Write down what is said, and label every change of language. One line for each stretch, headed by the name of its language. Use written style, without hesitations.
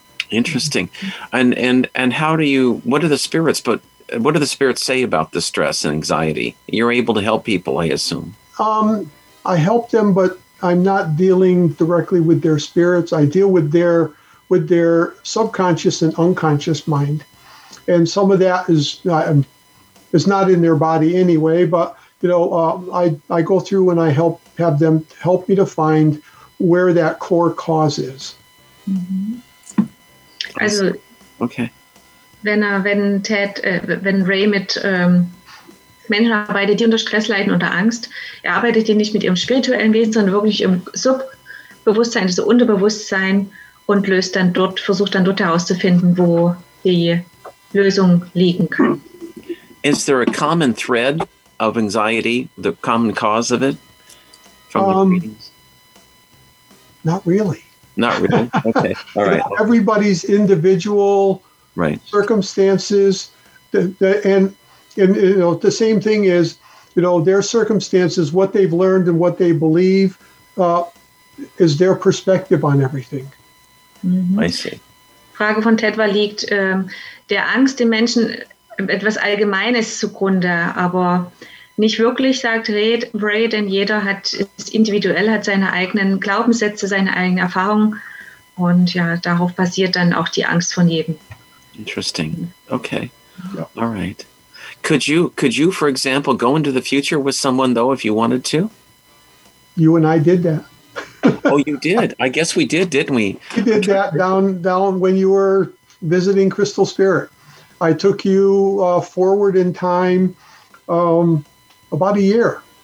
English: Interesting. And how do you, what do the spirits say about the stress and anxiety? You're able to help people, I assume. I help them, but I'm not dealing directly with their spirits. I deal with their subconscious and unconscious mind. And some of that is not in their body anyway, but you know, I go through and I help have them help me to find where that core cause is. Mm-hmm.
German: Also,
English: okay.
German: Wenn Ray mit Menschen arbeitet, die unter Stress leiden, unter Angst, er arbeitet die nicht mit ihrem spirituellen Wesen, sondern wirklich im Subbewusstsein, also Unterbewusstsein, und löst dann dort, versucht dann dort herauszufinden, wo die Lösung liegen kann.
English: Is there a common thread of anxiety, the common cause of it? Not really. Not really. Okay. All right. Everybody's individual right. circumstances, and you know, the same thing is, you know, their circumstances, what they've learned and what they believe, is their perspective on everything. Mm-hmm. I see.
German: Frage von Ted war, liegt der Angst den Menschen etwas Allgemeines zugrunde, aber nicht wirklich, sagt Ray, denn jeder hat ist individuell, hat seine eigenen Glaubenssätze, seine eigenen Erfahrungen. Und ja, darauf basiert dann auch die Angst von jedem.
English: Interesting. Okay. Yeah. All right. Could you, for example, go into the future with someone, though, if you wanted to? You and I did that. Oh, you did. I guess we did, didn't we? We did that down when you were visiting Crystal Spirit. I took you forward in time. About a year.